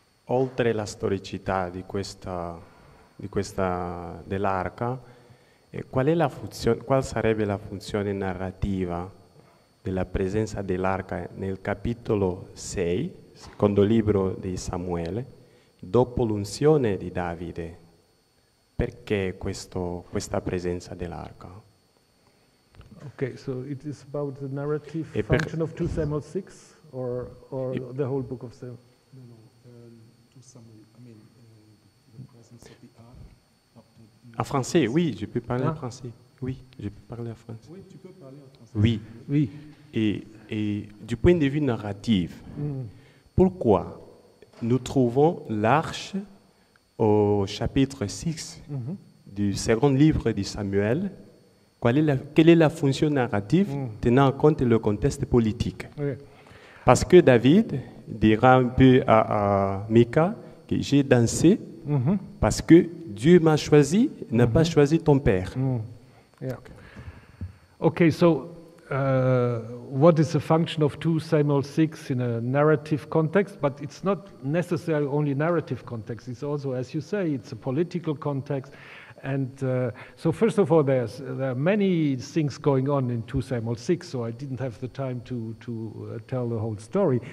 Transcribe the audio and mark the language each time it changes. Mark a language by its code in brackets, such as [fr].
[it] Oltre la storicità di questa dell'arca, qual sarebbe la funzione narrativa della presenza dell'arca nel capitolo 6, secondo libro di Samuele, dopo l'unzione di Davide? Perché questa presenza dell'arca? [en] Okay, so it is about the narrative function of 2 Samuel 6 or the whole book of Samuel? No, 2 Samuel, the presence of the ark. [fr] En français, oui, je peux parler en français. Oui, je peux parler en français. Oui, tu peux parler en français. Oui, oui. Et du point de vue narratif, pourquoi nous trouvons l'arche au chapitre 6 du second livre de Samuel? Quelle est la fonction narrative tenant compte le contexte politique? Oui. Parce que David dira un peu à Mika que j'ai dansé parce que Dieu m'a choisi, n'a pas choisi ton père. [en] Okay, so what is the function of 2 Samuel 6 in a narrative context? But it's not necessarily only narrative context. It's also, as you say, it's a political context. And so first of all, there are many things going on in 2 Samuel 6, so I didn't have the time to tell the whole story.